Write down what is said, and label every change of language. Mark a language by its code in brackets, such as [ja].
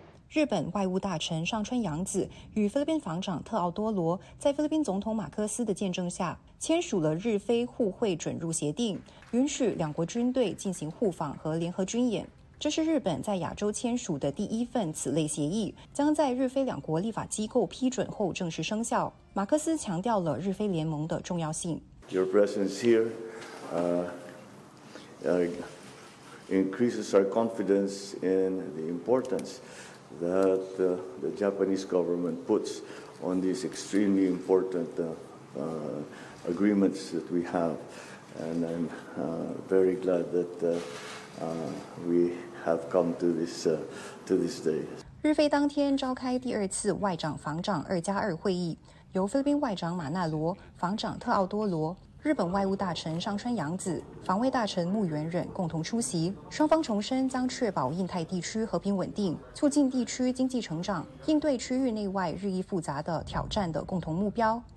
[zh] 日本外务大臣上川洋子与菲律宾防长特奥多罗在菲律宾总统马克思的见证下签署了日菲互惠准入协定，允许两国军队进行互访和联合军演。这是日本在亚洲签署的第一份此类协议，将在日菲两国立法机构批准后正式生效。马克思强调了日菲联盟的重要性。 [en] Your presence here, increases our confidence in the importance. That the Japanese government puts on these extremely important agreements that we have. And I'm very glad that we have come to this day. [zh] 日菲当天召开第二次外长防长2+2会议，由菲律宾外长马纳罗、防长特奥多罗、日本外务大臣上川洋子、防卫大臣木原忍共同出席。双方重申将确保印太地区和平稳定，促进地区经济成长，应对区域内外日益复杂的挑战的共同目标。